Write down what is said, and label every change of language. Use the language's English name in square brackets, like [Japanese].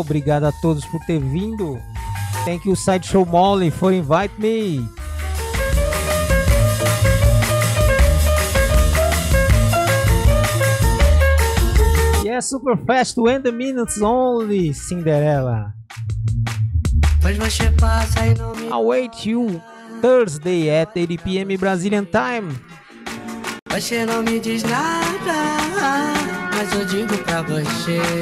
[Portuguese] Obrigado a todos por ter vindo. [English] Thank you, Sideshow Molly, for invite me. É super fast, 20 minutes only, Cinderela. [Portuguese] Pois você passa e não me... [English] I'll wait you Thursday at 8 p.m. Brazilian time. [Portuguese] Você não me diz nada, mas eu digo pra você.